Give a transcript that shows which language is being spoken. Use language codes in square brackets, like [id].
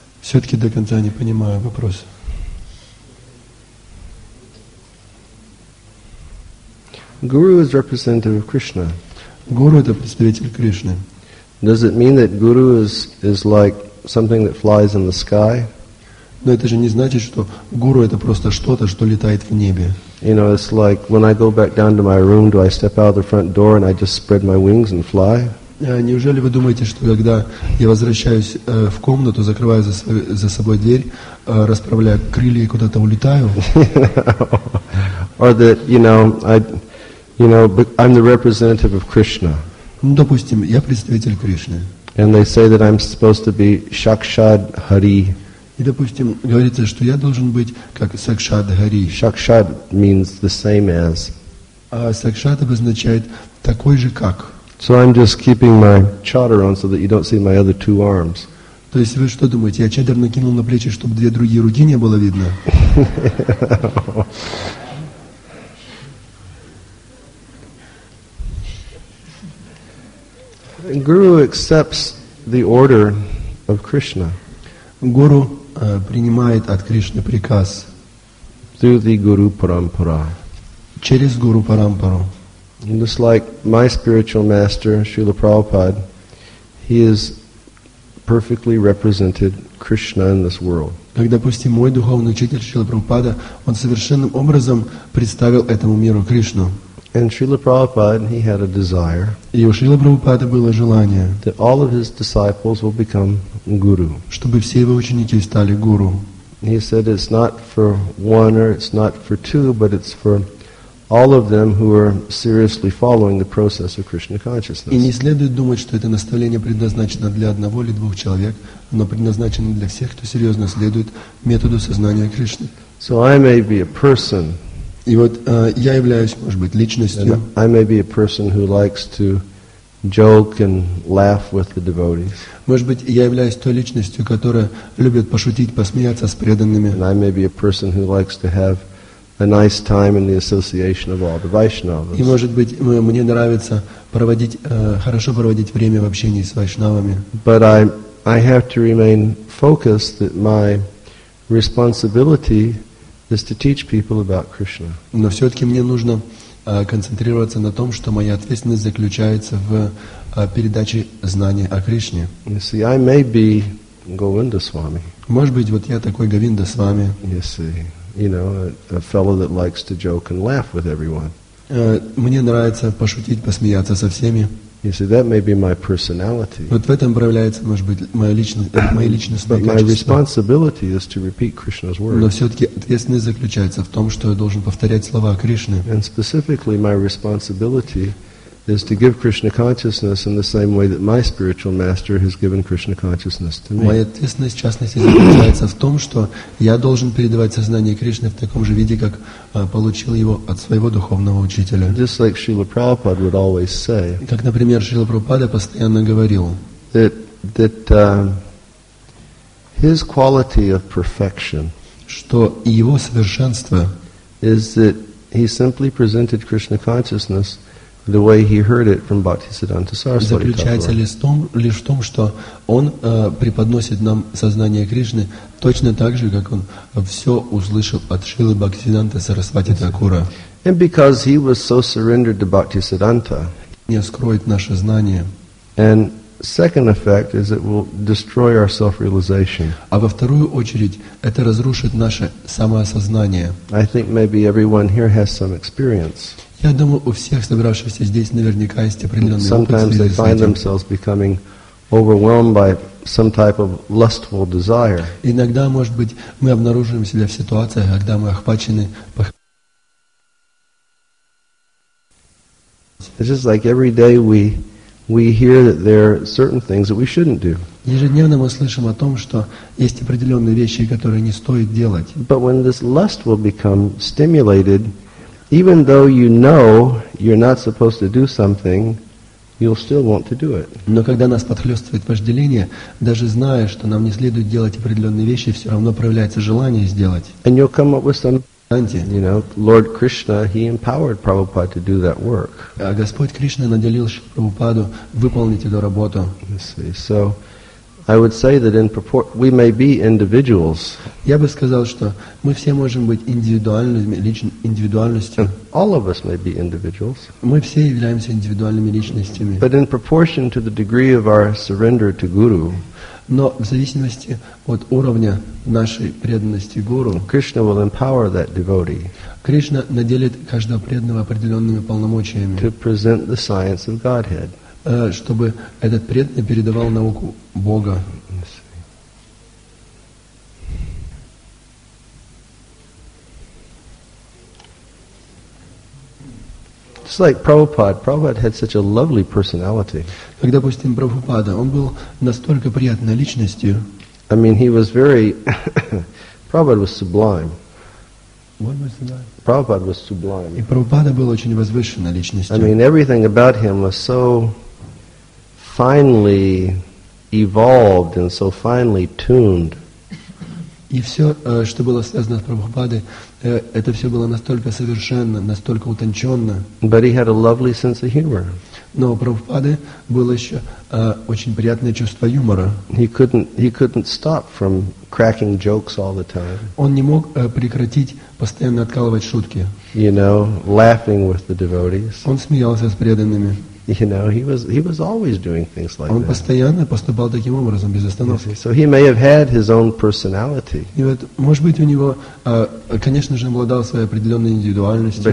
[ru] Все-таки до конца не понимаю вопрос. [en] Guru is representative of Krishna. [ru] Guru — это представитель Кришны. [en] Does it mean that Guru is like something that flies in the sky? [ru] Но это же не значит, что Guru — это просто что-то, что летает в небе. [en] You know, it's like when I go back down to my room, do I step out the front door and I just spread my wings and fly? [ru] Неужели вы думаете, что когда я возвращаюсь в комнату, закрываю за собой дверь, расправляю крылья и куда-то улетаю? [en] Or that, you know, I'm the representative of Krishna. [ru] Ну, допустим, я представитель Кришны. [en] And they say that I'm supposed to be Shakshad Hari. [ru] И, допустим, говорится, что я должен быть как Сакшад Хари. [en] Shakshad means the same as. [ru] А Сакшад обозначает такой же как. [en] So I'm just keeping my chadar on so that you don't see my other two arms. [ru] То есть вы что думаете, я чадар накинул на плечи, чтобы две другие руки не было видно? [en] Guru accepts the order of Krishna. [ru] Guru принимает от Кришны приказ. [en] Through the Guru Parampara. [ru] Через Guru Parampara. [en] And just like my spiritual master, Srila Prabhupada, he is perfectly represented Krishna in this world. [ru] Как, допустим, мой духовный учитель Шрила Прабхупада, он совершенным образом представил этому миру Кришну. [en] And Srila Prabhupada, he had a desire. [ru] И у Шрила Прабхупада было желание. [en] That all of his disciples will become guru. [ru] Чтобы все его ученики стали гуру. [en] He said it's not for one or it's not for two, but it's for all of them who are seriously following the process of Krishna consciousness. [ru] И не следует думать, что это наставление предназначено для одного или двух человек, оно предназначено для всех, кто серьезно следует методу сознания Кришны. [en] So I may be a person. [ru] И вот я являюсь, может быть, личностью. [en] I may be a person who likes to joke and laugh with the devotees. [ru] Может быть, я являюсь той личностью, которая любит пошутить, посмеяться с преданными. [en] And I may be a person who likes to have a nice time in the association of all the Vaishnavas. [ru] И может быть, мне нравится проводить хорошо проводить время в общении с вайшнавами. [en] But I have to remain focused that my responsibility is to teach people about Krishna. [ru] Но все-таки мне нужно концентрироваться на том, что моя ответственность заключается в передаче знаний о Кришне. [en] You see, I may be Govinda Swami. [ru] Может быть, вот я такой Говинда Свами. [en] You see. You know, a fellow that likes to joke and laugh with everyone. [ru] Мне нравится пошутить, посмеяться со всеми. [en] You see, that may be my personality. [ru] Вот в этом проявляется, может быть, моя личность. [en] But my responsibility is to repeat Krishna's words. [ru] Но все-таки ответственность заключается в том, что я должен повторять слова Кришны. [en] And specifically, my responsibility is to give Krishna consciousness in the same way that my spiritual master has given Krishna consciousness to me. [ru] Моя ответственность, в частности, заключается в том, что я должен передавать сознание Кришны в таком же виде, как получил его от своего духовного учителя. [en] Just like Srila Prabhupada would always say. [ru] Как, например, Шрила Прабхупада постоянно говорил. [en] That his quality of perfection. [ru] Что его совершенство. [en] Is that he simply presented Krishna consciousness the way he heard it from Bhaktisiddhanta Saraswati. [ru] Заключается лишь в том, что он преподносит нам сознание Кришны точно так же, как он все услышал от Шрилы Бхактисиддханты Сарасвати Такура. [en] And because he was so surrendered to Bhaktisiddhanta, [ru] не скроет наше знание. [en] And second effect is it will destroy our self-realization. [ru] А во вторую очередь, это разрушит наше самоосознание. [en] I think maybe everyone here has some experience. [ru] Я думаю, у всех собравшихся здесь наверняка есть определенный опыт. [en] Sometimes they find themselves becoming overwhelmed by some type of lustful desire. [ru] Иногда, может быть, мы обнаруживаем себя в ситуациях, когда мы охвачены. [en] It's just like every day we hear that there are certain things that we shouldn't do. [ru] Ежедневно мы слышим о том, что есть определенные вещи, которые не стоит делать. [en] But when this lust will become stimulated, Even though you know you're not supposed to do something, you'll still want to do it. [ru] Но когда нас подхлёстывает вожделение, даже зная, что нам не следует делать определённые вещи, всё равно проявляется желание сделать. [en] And you'll come up with some, you know, Lord Krishna, he empowered Prabhupada to do that work. [ru] А Господь Кришна наделил Прабхупаду выполнить эту работу. [en] So I would say that in purport we may be individuals. [ru] Я бы сказал, что мы все можем быть индивидуальными индивидуальностью. [en] And all of us may be individuals. [ru] Мы все являемся индивидуальными личностями. [en] But in proportion to the degree of our surrender to Guru. [ru] Но в зависимости от уровня нашей преданности Гуру. [en] Krishna will empower that devotee. [ru] Кришна наделит каждого преданного определенными полномочиями. [en] To present the science of Godhead. [ru] Чтобы этот преданный передавал науку Бога. [en] It's like Prabhupada. Prabhupada had such a lovely personality. [ru] Как, допустим, Прабхупада, он был настолько приятной личностью. [en] I mean, he was very. Prabhupada was sublime. What was that? Prabhupada was sublime. [ru] И Прабхупада был очень возвышенной личностью. [en] I mean, everything about him was so finely evolved and so finely tuned. [ru] И все, что было связано с Прабхупадой, это все было настолько совершенно, настолько утонченно. [en] But he had a lovely sense of humor. [ru] Но у Прабхупады было еще очень приятное чувство юмора. [en] He couldn't stop from cracking jokes all the time. [ru] Он не мог прекратить постоянно откалывать шутки. [en] You know, laughing with the devotees. [ru] Он смеялся с преданными. [en] You know, he was always doing things like [ru] он [en] that. [ru] Постоянно поступал таким образом, без остановки. [en] So he may have had his own personality. [ru] И вот, может быть, у него, конечно же, обладал своей определенной индивидуальностью.